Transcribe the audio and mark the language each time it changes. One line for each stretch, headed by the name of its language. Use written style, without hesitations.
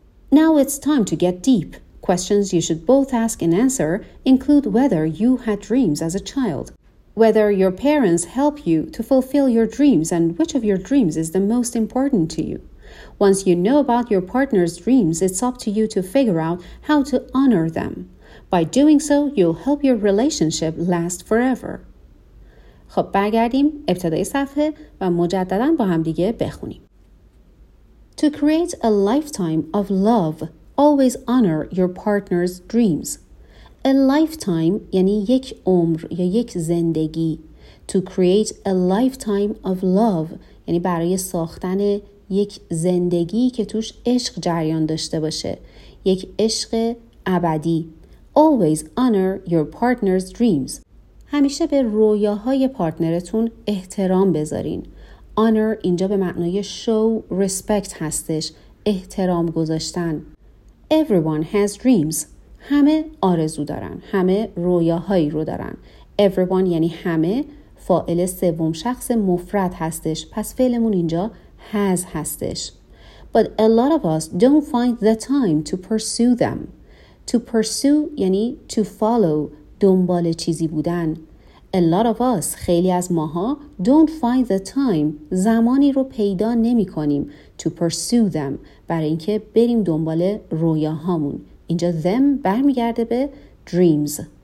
English: Now it's time to get deep. Questions you should both ask and answer include whether you had dreams as a child, whether your parents help you to fulfill your dreams, and which of your dreams is the most important to you. Once you know about your partner's dreams, it's up to you to figure out how to honor them. By doing so, you'll help your relationship last forever.
Persian: خب برگردیم ابتدای صفحه و مجدداً با هم دیگه بخونیم.
English: To create a lifetime of love, always honor your partner's dreams. A lifetime
Persian: یعنی یک عمر یا یک زندگی.
English: To create a lifetime of love
Persian: یعنی برای ساختن یک زندگی که توش عشق جریان داشته باشه. یک عشق ابدی.
English: Always honor your partner's dreams.
Persian: همیشه به رویاهای پارتنرتون احترام بذارین. Honor اینجا به معنای
English: show respect
Persian: هستش. احترام گذاشتن.
English: Everyone has dreams.
Persian: همه آرزو دارن. همه رویاهایی رو دارن. Everyone یعنی همه. فاعل سوم شخص مفرد هستش. پس فعلمون اینجا has هستش.
English: But a lot of us don't find the time to pursue them. To pursue
Persian: یعنی
English: to follow،
Persian: دنبال چیزی بودن.
English: A lot of us،
Persian: خیلی از ماها،
English: don't find the time،
Persian: زمانی رو پیدا نمی کنیم
English: to pursue them،
Persian: برای اینکه بریم دنبال رویاهامون. اینجا them برمی گرده به dreams.